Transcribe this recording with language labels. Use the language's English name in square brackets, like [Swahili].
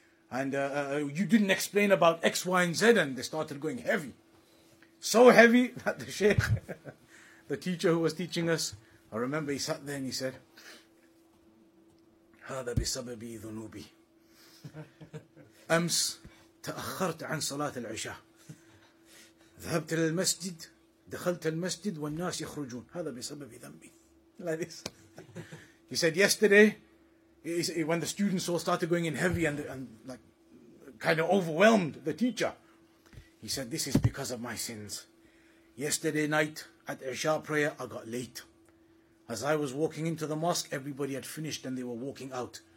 [English] And you didn't explain about X, Y, and Z. And they started going heavy. So heavy that the Sheikh, the teacher who was teaching us, I remember he sat there and he said, [Arabic] هذا بسبب ذنوبي. أمس تأخرت عن صلاة العشاء. ذهبت للمسجد. دخلت المسجد والناس يخرجون هذا بسبب ذنبي. [English] Like this. He said yesterday, when the students all started going in heavy and like kind of overwhelmed the teacher, he said, this is because of my sins. Yesterday night at Isha prayer, I got late. As I was walking into the mosque, everybody had finished and they were walking out.